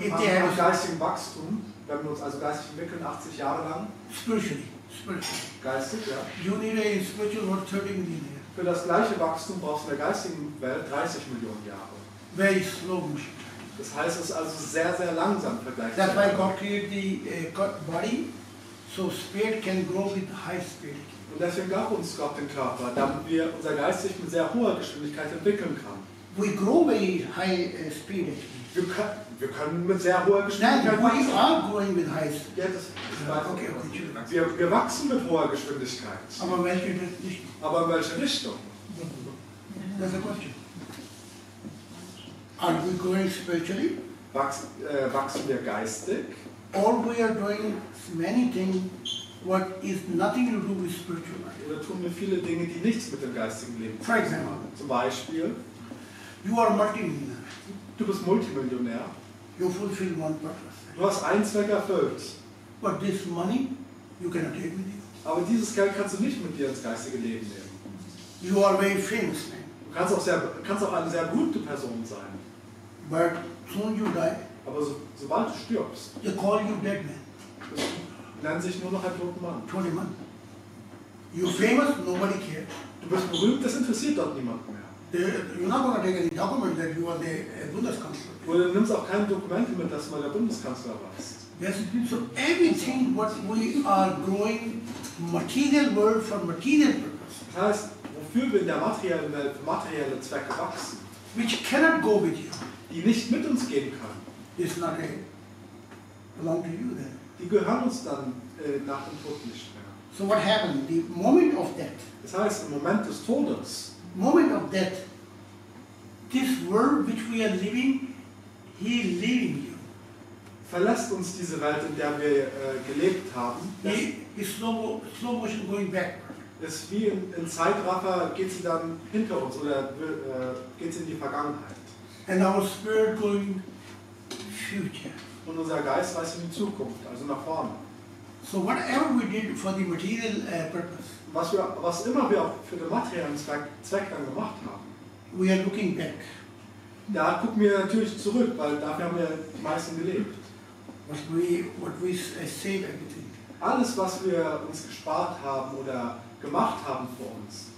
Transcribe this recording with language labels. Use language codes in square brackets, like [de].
[de] Im geistigen Wachstum, wenn wir uns also geistig entwickeln, 80 Jahre lang. [en] Spiritually. [de] Geistig, ja. [en] You need a spiritual world 30 million years. [de] Für das gleiche Wachstum brauchst du in der geistigen Welt 30 Millionen Jahre. [en] Very slow. [de] Das heißt, es ist also sehr, sehr langsam vergleichbar. [en] That's why God created the God body. So spirit can grow with high spirit. [de] Und deswegen gab uns Gott den Körper, damit wir unser Geist sich mit sehr hoher Geschwindigkeit entwickeln kann. [en] We grow very high speed. [de] Wir können mit sehr hoher Geschwindigkeit wachsen. Nein, [en] we are growing with high speed. [de] Ja, das ist okay, okay. Wir wachsen mit hoher Geschwindigkeit. Aber in welche Richtung? Aber in welche Richtung? [en] That's a question. Are we growing spiritually? [de] Wachsen wir geistig? [en] Or we are doing many things what is nothing to do with spiritual life. [de] Oder tun wir viele Dinge, die nichts mit dem geistigen Leben tun? [en] For example, [de] zum Beispiel, [en] you are multimillionaire. [de] Du bist Multimillionär. [en] You fulfill one purpose. [de] Du hast einen Zweck erfüllt. [en] But this money, you cannot take with you. [de] Aber dieses Geld kannst du nicht mit dir ins geistige Leben nehmen. [en] You are very famous. [de] Du kannst auch eine sehr gute Person sein. [en] But soon you die. [de] Aber sobald du stirbst, [en] they call you dead man. [de] Nennt sich nur noch ein toter Mann. [en] Tony Mann. You famous, nobody cares. [de] Du bist berühmt, das interessiert dort niemanden mehr. [en] You're not gonna take any document that you are the Bundeskanzler. [de] Und du nimmst auch kein Dokument mit, dass du mal der Bundeskanzler warst. [en] Yes, so everything what we are growing material world for material purpose. [de] Das heißt, wofür wir in der materiellen Welt für materielle Zwecke wachsen. [en] Which cannot go with you. [de] Die nicht mit uns gehen kann. [en] It's not a belong to you then. [de] Die gehören uns dann nach dem Tod nicht mehr. [en] So what happened? The moment of death. [de] Das heißt, im Moment des Todes. [en] Moment of death. This world which we are living, he is leaving you. [de] Verlässt uns diese Welt, in der wir gelebt haben. [en] He is slow motion going back. [de] Ist wie in Zeitraffer, geht sie dann hinter uns oder geht sie in die Vergangenheit. [en] And our spirit going future. [de] Und unser Geist weist in die Zukunft, also nach vorne. [en] So whatever we did for the material purpose. [de] Was immer wir auch für den materiellen Zweck dann gemacht haben. [en] We are looking back. [de] Da gucken wir natürlich zurück, weil dafür haben wir die meisten gelebt. [en] What we saved everything. [de] Alles, was wir uns gespart haben oder gemacht haben vor uns.